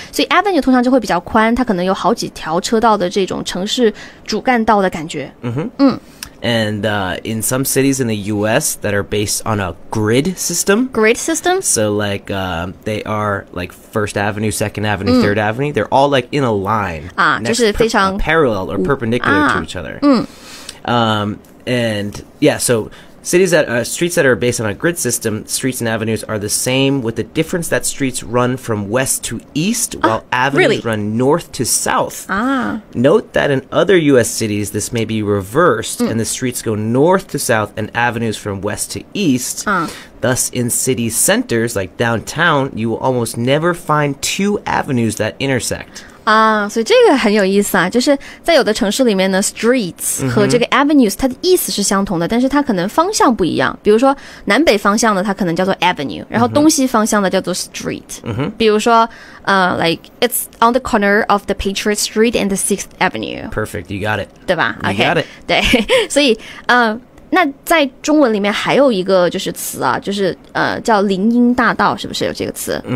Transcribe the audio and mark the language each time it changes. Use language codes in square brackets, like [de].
[zh] 所以 avenue 通常就会比较宽，它可能有好几条车道的这种城市主干道的感觉。 [en] And in some cities in the U.S. that are based on a grid system. Grid system? So, like, they are, like, 1st Avenue, 2nd Avenue, 3rd Avenue. They're all, like, in a line. Parallel or perpendicular to each other. And, yeah, so Cities that are streets that are based on a grid system, streets and avenues are the same with the difference that streets run from west to east while avenues run north to south. Note that in other US cities, this may be reversed and the streets go north to south and avenues from west to east. Thus, in city centers like downtown, you will almost never find two avenues that intersect. [zh] 所以这个很有意思啊，就是在有的城市里面呢 streets 和这个 avenues 它的意思是相同的，但是它可能方向不一样。比如说南北方向的它可能叫做 avenue， 然后东西方向的叫做 street。比如说 [en] like it's on the corner of the Patriot Street and the 6th Avenue。 Perfect, you got it. [zh] 对吧 [en] ?You got it. [zh] 对，所以那在中文里面还有一个就是词啊，就是叫林荫大道，是不是有这个词？